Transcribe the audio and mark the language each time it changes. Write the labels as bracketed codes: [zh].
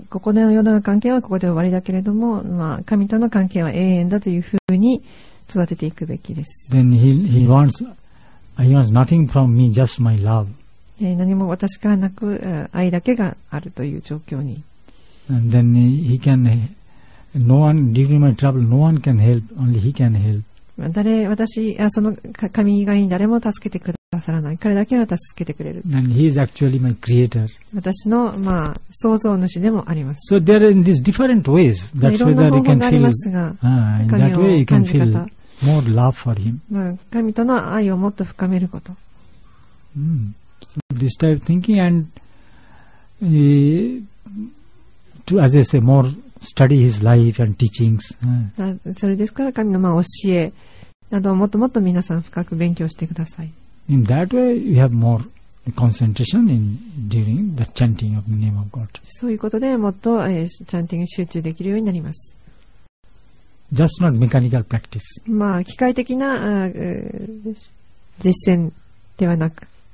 [ja] ここでの世の関係はここで終わりだけれども、まあ、神との関係は永遠だというふうに育てていくべきです。 [en] Then he wants nothing from me, just my love. [ja] 何も私からなく愛だけがあるという状況に。 [en] And then he can, no one, during my trouble, no one can help, only he can help. [ja] 私はその神以外に誰も助けてくださらない。彼だけが助けてくれる。 [en] And he is actually my creator. [ja] 私の、まあ、創造主でもあります。 [en] So there are in these different ways. That's whether you can feel in that way you can feel more love for him. [ja] 神との愛をもっと深めること。 [en] So this type of thinking and to, as I say, more. Study his life and teachings. [ja] それですから神のまあ教えなどをもっともっと皆さん深く勉強してください。 [en] In that way, you have more concentration in during the chanting of the name of God. [ja] そういうことでもっと、チャンティング集中できるようになります。 [en] Just not mechanical practice. [ja] まあ機械的な実践ではなく。